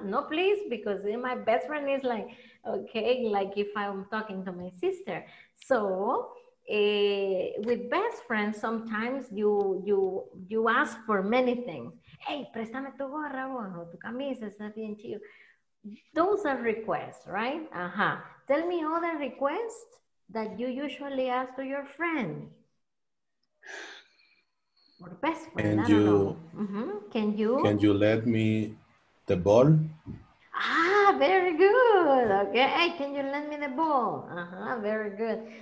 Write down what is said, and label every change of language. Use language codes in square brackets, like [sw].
[en] No, please, because my best friend is like, okay, like if I'm talking to my sister. So, with best friends, sometimes you ask for many things. [es] Hey, préstame tu gorra, bueno, tu camisa, está bien chido. [en] Those are requests, right? Uh-huh. Tell me other requests that you usually ask to your friend. Or best friend, can you, mm-hmm. Can you let me the ball? Ah, very good. Okay. Hey, can you lend me the ball? Uh-huh. Very good.